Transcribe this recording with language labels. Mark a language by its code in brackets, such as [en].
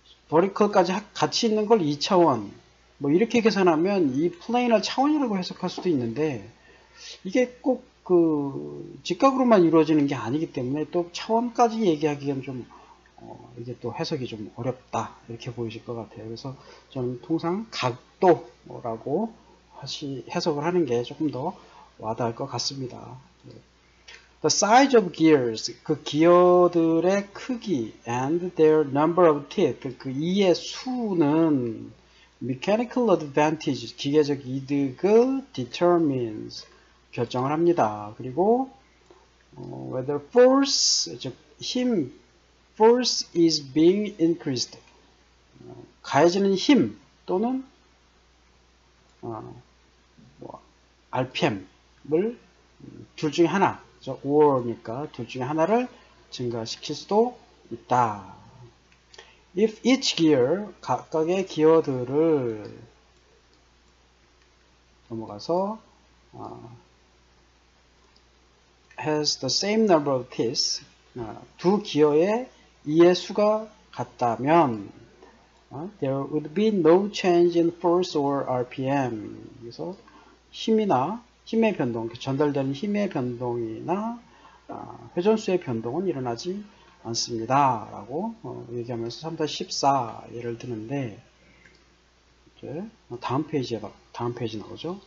[ko] vertical까지 같이 있는 걸 2차원 뭐 이렇게 계산하면 이 플레인을 차원이라고 해석할 수도 있는데 이게 꼭그 직각으로만 이루어지는 게 아니기 때문에 또 차원까지 얘기하기엔 좀 이게 또 해석이 좀 어렵다 이렇게 보이실 것 같아요. 그래서 저는 통상 각도라고 해석을 하는 게 조금 더 와닿을 것 같습니다. [en] The size of gears, [ko] 그 기어들의 크기 [en] and their number of teeth, [ko] 그 이의 수는 [en] Mechanical advantage, [ko] 기계적 이득을 [en] determines, [ko] 결정을 합니다. 그리고, [en] whether force, [ko] 즉, 힘, [en] force is being increased. [ko] 가해지는 힘, 또는, RPM을 둘 중에 하나, 즉, or니까 둘 중에 하나를 증가시킬 수도 있다. [en] If each gear, [ko] 각각의 기어들을 넘어가서, [en] has the same number of teeth, [ko] 두 기어의 이의 수가 같다면, [en] there would be no change in force or RPM. [ko] 그래서 힘이나, 힘의 변동, 전달되는 힘의 변동이나, 회전수의 변동은 일어나지 않습니다. 라고 얘기하면서 3-14 예를 드는데, 이제 다음 페이지 나오죠?